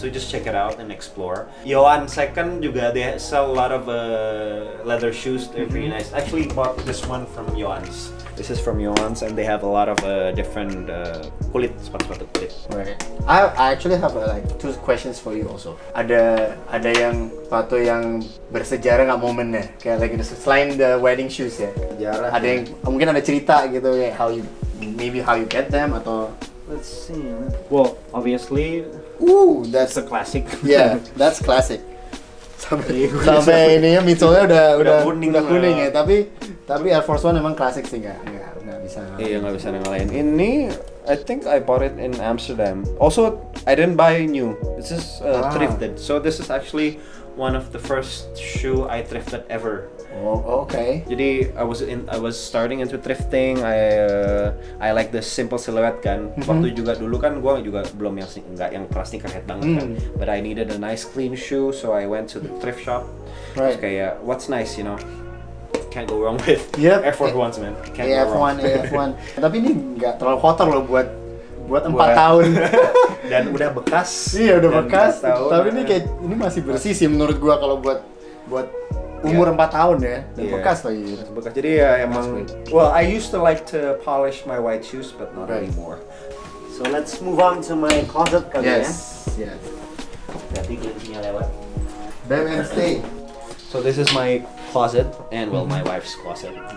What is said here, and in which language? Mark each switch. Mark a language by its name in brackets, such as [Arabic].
[English] So just check it out and explore. Yohan Second juga, they sell a lot of leather shoes. They're very nice. Actually bought this one from Yohan's. This is from Yohan's and they have a lot of different [Indonesian] kulit, sepatu-sepatu kulit. [English] Right. I actually have like two questions for you also. [Indonesian] Ada yang sepatu yang bersejarah nggak momennya? [English] Kayak like selain the wedding shoes ya. [Indonesian] Sejarah. Ada yang mungkin ada cerita gitu kayak [English] how you maybe how you get them [Indonesian] atau. [English] Let's see. Well, obviously. Ooh, that's a classic. Yeah, that's classic. [Indonesian] Sampai ini ya, midsole-nya udah kuning ya, tapi Air Force One emang klasik sih, nggak bisa ngalahin. [English] Ini I think I bought it in Amsterdam. Also I didn't buy new, this is thrifted, so this is actually one of the first shoe I thrifted ever. Okay. Jadi I was starting into thrifting. I like the simple silhouette kan. [Indonesian] Waktu juga dulu kan gua juga belum yang enggak yang keras sneakerhead banget kan. [English] But I needed a nice clean shoe, so I went to the thrift shop. Right. Okay, yeah. What's nice, you know. Can't go wrong with. Yep. Air Force Ones, man. Can't go wrong. [Indonesian] AF1. Tapi ini enggak terlalu kotor loh buat 4 tahun. Dan udah bekas. Iya, udah bekas. Tapi ini kayak ini masih bersih sih menurut gua kalau buat umur 4 tahun ya, dan bekas lagi. Bekas. Jadi ya emang, [English] well, I used to like to polish my white shoes, but not anymore. So let's move on to my closet kali yes. [Indonesian] ya. [English] Yes. [Indonesian] Berarti kelincinya lewat. Bam, [English] so this is my closet, and well, my wife's closet.